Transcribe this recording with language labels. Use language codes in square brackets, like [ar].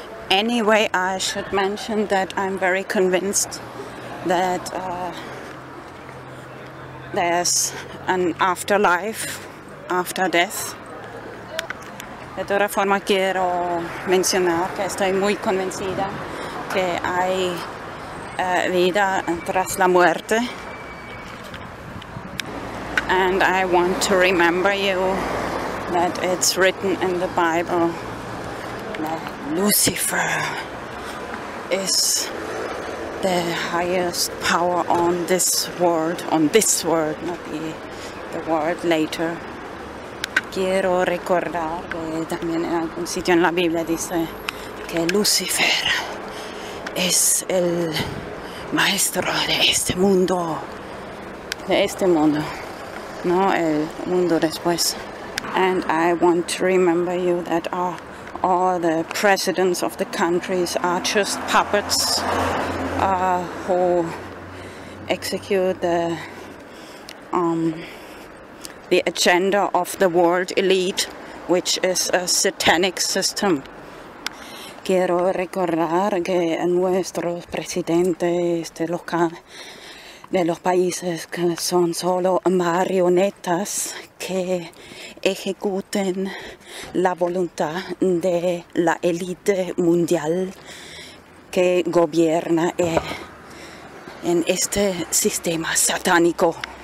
[en] Anyway, I should mention that I'm very convinced that there's an afterlife, after death. [es] De todas formas, quiero mencionar que estoy muy convencida que hay vida tras la muerte. [en] And I want to remember you that it's written in the Bible that Lucifer is the highest power on this world, not the world later. [es] Quiero recordar que también en algún sitio en la Biblia dice que Lucifer es el maestro de este mundo. De este mundo, no el mundo después. [en] And I want to remember you that all the presidents of the countries are just puppets who execute the agenda of the world elite, which is a satanic system. [es] Quiero recordar que nuestros presidentes de los países que son solo marionetas que ejecuten la voluntad de la élite mundial que gobierna en este sistema satánico.